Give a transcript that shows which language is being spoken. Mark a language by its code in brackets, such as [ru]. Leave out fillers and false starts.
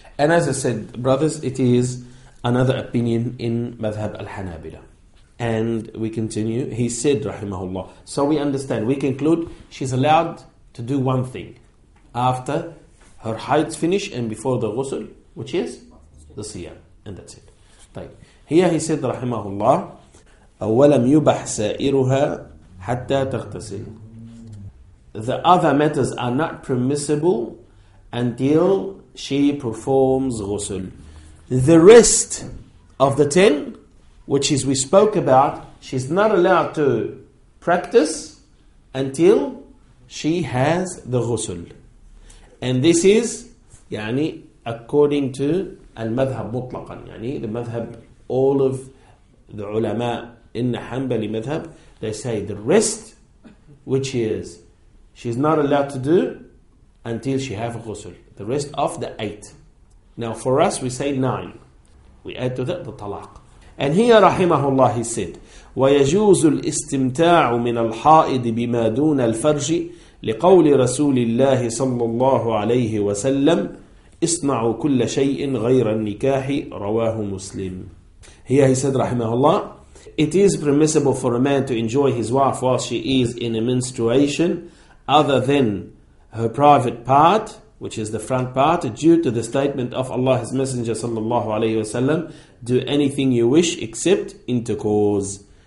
[en] And as I said, brothers, it is another opinion in Madhab al-Hanabila. And we continue. He said, rahimahullah. So we understand. We conclude she's allowed to do one thing after her haid's finished and before the ghusl, which is the siyam. And that's it. طيب. Here he said, [ar] rahimahullah, أَوَّلَمْ يُبَحْ سَائِرُهَا حَتَّى تَغْتَسِلْ. [en] The other matters are not permissible until she performs ghusl. The rest of the 10, which is we spoke about, she's not allowed to practice until she has the ghusl. And this is, yani, according to al-madhab mutlaqan, yani, the madhab, all of the ulama in the Hanbali madhab, they say the rest, which is, she's not allowed to do until she have ghusl. The rest of the 8. Now for us, we say 9. We add to that the talaq. And here, rahimahullah, he said, [ar] وَيَجُوزُ الْإِسْتِمْتَاعُ مِنَ الْحَائِدِ بِمَا دُونَ الْفَرْجِ لِقَوْلِ رَسُولِ اللَّهِ صَلَّى اللَّهُ عَلَيْهِ وَسَلَّمْ إِصْنَعُوا كُلَّ شَيْءٍ غَيْرَ النِّكَاحِ رَوَاهُ مُسْلِمٍ. [en] Here he said, rahimahullah, it is permissible for a man to enjoy his wife while she is in a menstruation other than her private part, which is the front part, due to the statement of Allah's Messenger sallallahu alayhi wa sallam, do anything you wish except intercourse.